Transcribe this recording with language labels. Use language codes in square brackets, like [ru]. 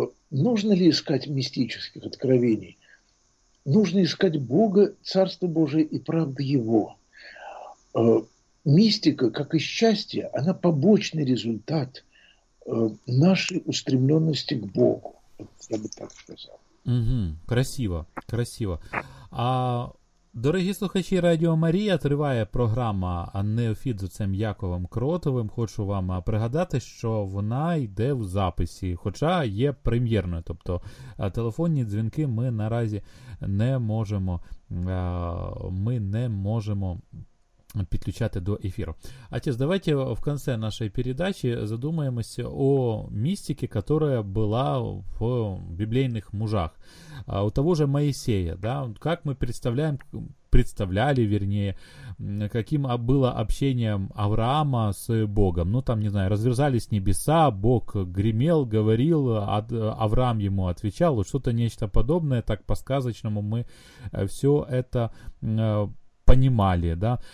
[ru] Нужно ли искать мистических откровений? Нужно искать Бога, Царство Божие и правды Его. Мистика, как и счастье, она побочный результат нашей устремленности к Богу. Я бы так сказал. Угу. Красиво, красиво. [uk] Дорогі слухачі Радіо Марія, триває програма «Неофіт» з оцем Яковом Кротовим. Хочу вам пригадати, що вона йде в записі, хоча є прем'єрною, тобто телефонні дзвінки ми наразі не можемо, підключати до ефіру. А тіс, давайте в кінці нашої передачі задумаємося о містиці, яка була в біблійних мужах. [ru] У того же Моїсея, да? [uk] Як ми представляли, [ru] вернее, каким было общение Авраама с Богом. Ну, там, не знаю, разверзались небеса, Бог гремел, говорил, Авраам ему отвечал. Что-то нечто подобное, так по-сказочному мы все это понимали, да.